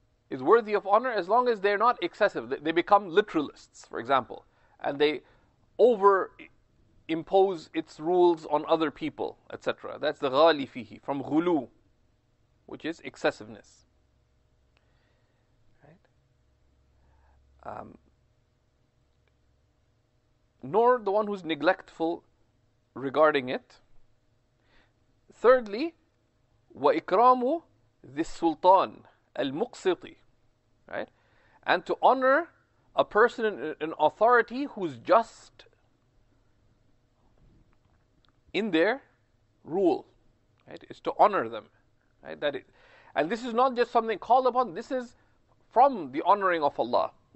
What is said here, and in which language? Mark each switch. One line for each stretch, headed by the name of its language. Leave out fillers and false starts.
English: is worthy of honor as long as they're not excessive. They become literalists, for example, and they over impose its rules on other people, etc. That's the ghali fihi, from ghulu, which is excessiveness. Right? Nor the one who's neglectful regarding it.
Arabic: Thirdly, وَإِكْرَامُ ذِي السُّلْطَانِ الْمُقْسِطِ.
English: Right? And to honor a person in authority who's just in their rule, right? Is to honor them. Right? That it, and this is not just something called upon, this is from the honoring of Allah.